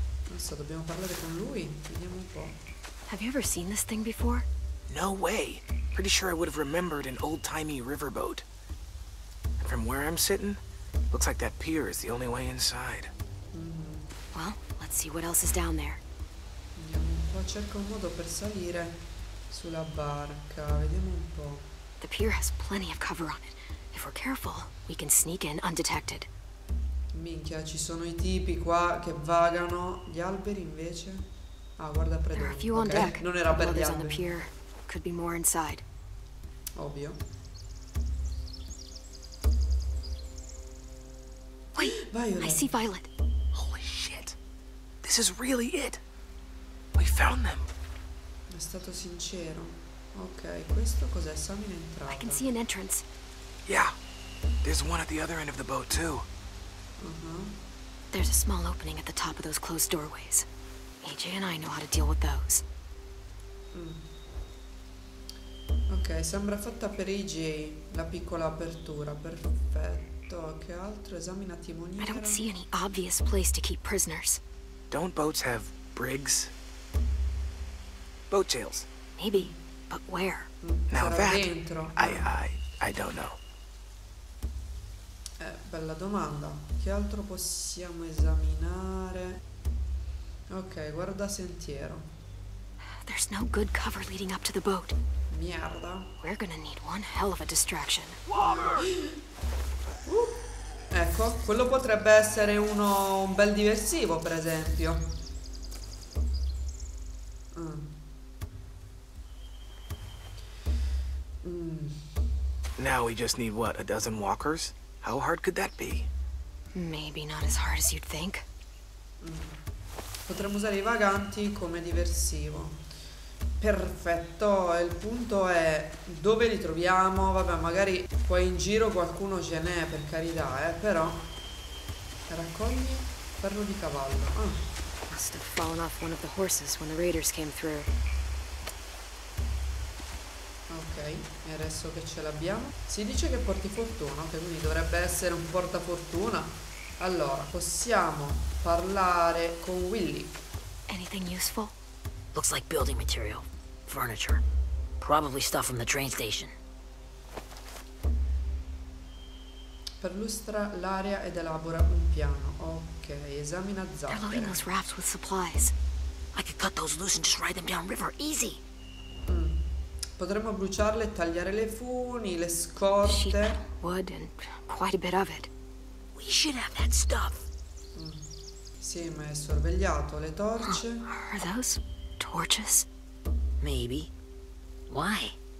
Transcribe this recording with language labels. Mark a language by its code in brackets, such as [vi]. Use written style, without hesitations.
[it] Non so, dobbiamo parlare con lui. Vediamo un po'. [en] Have you ever seen this thing before? No way. Pretty sure I would have remembered an old-timey riverboat. And from where I'm sitting, looks like that pier is the only way inside. Mm-hmm. Well, let's see what else is down there. [it] Vediamo un po', cerco un modo per salire sulla barca. Vediamo un po'. [en] The pier has plenty of cover on it. If we're careful, we can sneak in undetected. [it] Minchia, ci sono i tipi qua che vagano. Gli alberi invece? Ah, guarda, predoni. [en] Okay. [it] Non era per gli alberi. [en] The pier. could be more inside. [it] Ovvio. [en] Wait, Violet. I see Violet. Holy shit. This is really it. We found them. [it] È stato sincero. Ok, questo cos'è? Sono in entrata. [en] I can see an entrance. Yeah. There's one at the other end of the boat, too. There's a small opening at the top of those closed doorways. AJ and I know how to deal with those. [it] Ok, sembra fatta per AJ la piccola apertura. Perfetto. Che altro? Esamina timoniera. [en] I don't see any obvious place to keep prisoners. Don't boats have brigs? Boat jails. Maybe, but where? Now that, I don't know. [it] Bella domanda. Che altro possiamo esaminare? Ok, guarda sentiero. [en] There's no good cover leading up to the boat. [it] Merda. [en] We're gonna need one hell of a distraction. [it] Ecco, quello potrebbe essere uno un bel diversivo, per esempio. [en] Now we just need what, a dozen walkers? How hard could that be? Maybe not as hard as you'd think. [it] Potremmo usare i vaganti come diversivo. Perfetto, il punto è dove li troviamo. Vabbè, magari qua in giro qualcuno ce n'è, per carità, però raccogli ferro di cavallo. [en] Must have fallen off one of the horses when the raiders came through. [it] Ok, e adesso che ce l'abbiamo? Si dice che porti fortuna, ok, quindi dovrebbe essere un portafortuna. Allora, possiamo parlare con Willy. [en] Anything useful? Looks like building material. Furniture. Probably stuff from the train station. [it] Perlustra l'area ed elabora un piano. Ok, esamina zattere. [en] They're loading those rafts with supplies. I could cut those loose and just ride them down river. Easy! [it] Potremmo bruciarle e tagliare le funi, le scorte. [en] Wood and quite a bit of it. We should have that stuff. [it] Sì, ma è sorvegliato. Le torce. [en] Are those torches? Maybe. Why?